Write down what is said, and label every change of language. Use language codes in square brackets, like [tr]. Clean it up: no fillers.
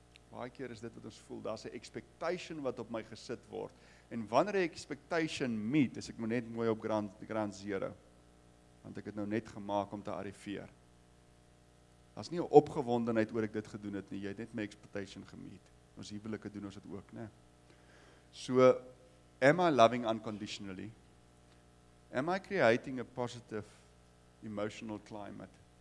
[af] Baie keer is dit wat ons voel, daar's 'n expectation wat op my gesit word. En wanneer ek expectation meet, is ek moet net mooi op grand zero. Want ek het nou net gemaak om te arriveer. Daar's nie 'n opgewondenheid oor ek dit gedoen het nie, jy het net my expectation gemeet. Ons huwelike doen ons dit ook, nê? [en] So, am I loving unconditionally? Am I creating a positive emotional climate?